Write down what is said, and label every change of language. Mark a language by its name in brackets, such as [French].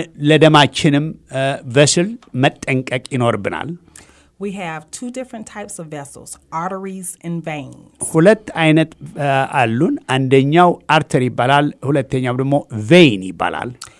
[Amharic] ለደማችንም vessel መጠንቀቅ ይኖርብናል. [English] We have two different types of vessels, arteries and veins. [Amharic] ሁለት አይነት አሉን። አንደኛው artery ይባላል, ሁለተኛው ደግሞ vein ይባላል.